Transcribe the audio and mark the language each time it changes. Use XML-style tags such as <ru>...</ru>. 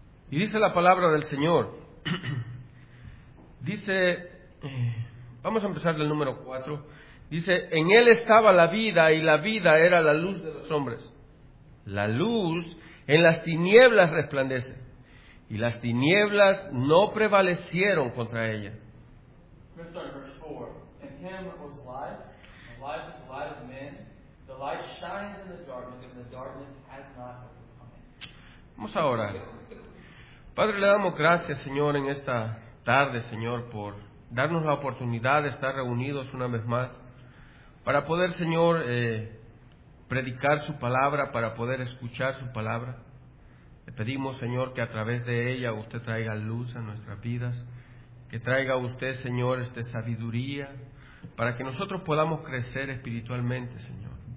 <es>Y dice la palabra del Señor. Dice, vamos a empezar del número 4. Dice, en él estaba la vida y la vida era la luz de los hombres. La luz en las tinieblas resplandece, y las tinieblas no prevalecieron contra ella.</es> <en>Let's start at verse 4. In him was life, and life is the light of men. The light shines in the darkness, and the darkness has not overcome it.</en> <es>Vamos a orar. Padre, le damos gracias, Señor, en esta tarde, Señor, por darnos la oportunidad de estar reunidos una vez más, para poder, Señor, predicar su palabra, para poder escuchar su palabra. Le pedimos, Señor, que a través de ella usted traiga luz a nuestras vidas, que traiga usted, Señor, sabiduría, para que nosotros podamos crecer espiritualmente, Señor.</es>